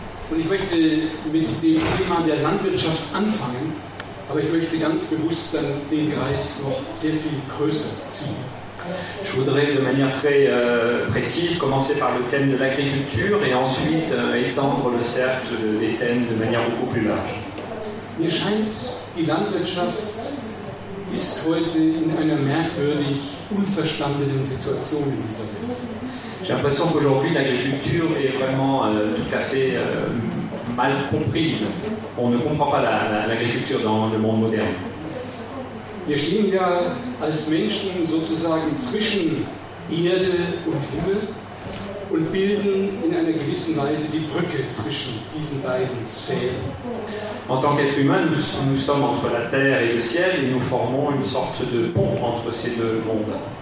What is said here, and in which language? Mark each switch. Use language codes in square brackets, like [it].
[de] Und ich möchte mit dem Thema der Landwirtschaft anfangen. Aber ich möchte ganz bewusst dann den Kreis noch sehr viel größer ziehen. [fr] Je voudrais de manière très précise commencer par le thème de l'agriculture et ensuite étendre le cercle des thèmes de manière beaucoup plus large. [de] Mir scheint, die Landwirtschaft ist heute in einer merkwürdig unverstandenen Situation in dieser Welt. [fr] J'ai l'impression qu'aujourd'hui l'agriculture est vraiment tout à fait mal comprise. On ne comprend pas l'agriculture dans le monde moderne. [de] Wir stehen ja als Menschen sozusagen zwischen Erde und Himmel und bilden in einer gewissen Weise die Brücke zwischen diesen beiden Sphären. [fr] En tant qu'être humain, nous sommes entre la terre et le ciel et nous formons une sorte de pont entre ces deux mondes.